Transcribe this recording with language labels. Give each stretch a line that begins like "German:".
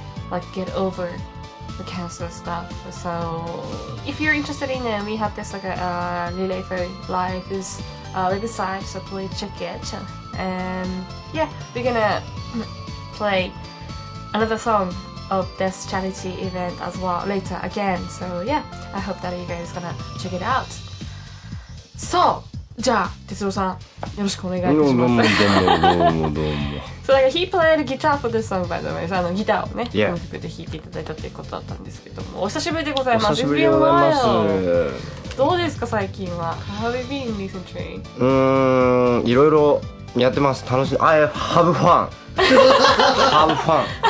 English: Like get over the cancer stuff. So if you're interested in it, we have this like a Relay for Life is website, so please check it. And yeah, we're gonna play another song of this charity event as well later again. So yeah, I hope that you guys are gonna check it out.
Japanese: So, じゃあ哲郎さんよろしくお願いします。どうもどうもどうもどうも。
English: So, like, he played guitar for this song, by the way.
Japanese: ギターをね、この曲で弾いていただいたということだったんですけども、お久しぶりでございます。お久しぶりでございます。どうですか、最近は。
English: How have you been recently?
Japanese: いろいろやってます。楽しい。
English: I have fun! Have fun!